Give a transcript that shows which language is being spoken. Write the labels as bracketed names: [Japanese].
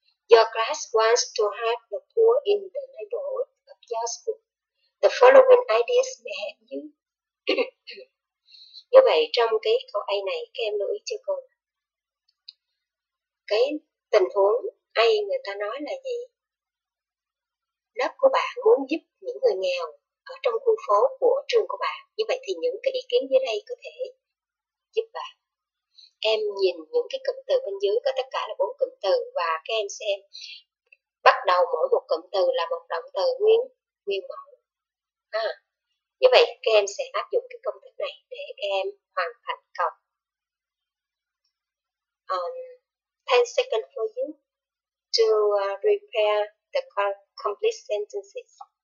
[English] Your class wants to help the poor in the neighborhood of your school. The following ideas may help you. [Vietnamese] Như vậy trong cái câu A này các em lưu ý cho cô. Cái tình huống A người ta nói là gì? Lớp của bạn muốn giúp những người nghèo ở trong khu phố của trường của bạn. Như vậy thì những cái ý kiến dưới đây có thể giúp bạn. Em nhìn những cái cụm từ bên dưới có tất cả là 4 cụm từ và các em xem. Bắt đầu mỗi một cụm từ là một động từ nguyên mẫu. À, như vậy các em sẽ áp dụng cái công thức này để các em hoàn thành câu. [English] 10 seconds for you to repair the complete sentences.